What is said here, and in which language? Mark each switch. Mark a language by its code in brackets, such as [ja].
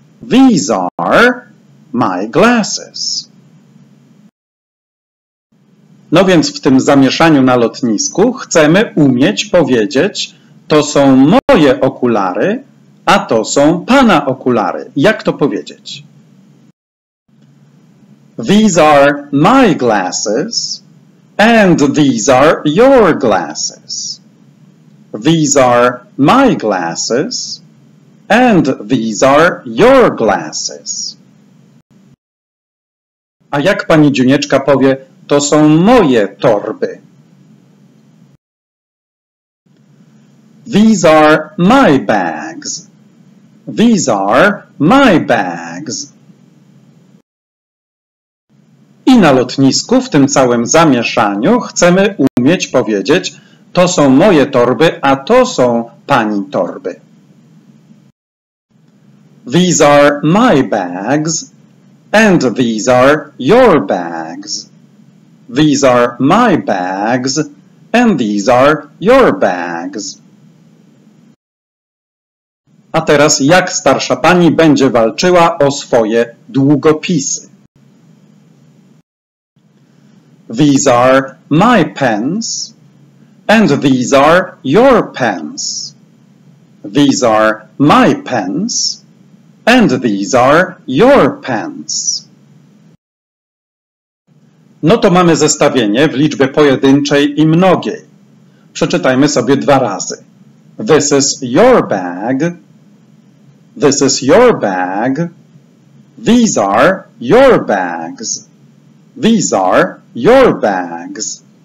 [en] These are my glasses. [pl] No więc w tym zamieszaniu na lotnisku chcemy umieć powiedzieć: to są moje okulary, a to są pana okulary. Jak to powiedzieć? [en] These are my glasses and these are your glasses. These are my glasses and these are your glasses. [pl] A jak pani Dziunieczka powie, to są moje torby? [en] These are my bags. These are my bags. [pl] I na lotnisku, w tym całym zamieszaniu, chcemy umieć powiedzieć: to są moje torby, a to są pani torby. [en] These are my bags and these are your bags. These are my bags and these are your bags. [pl] A teraz jak starsza pani będzie walczyła o swoje długopisy? [en] These are my pens and these are your pens. These are my pens and these are your pens. [pl] No to mamy zestawienie w liczbie pojedynczej i mnogiej. Przeczytajmy sobie dwa razy. [en] This is your bag. This is your bag. These are your bags. These are your bags.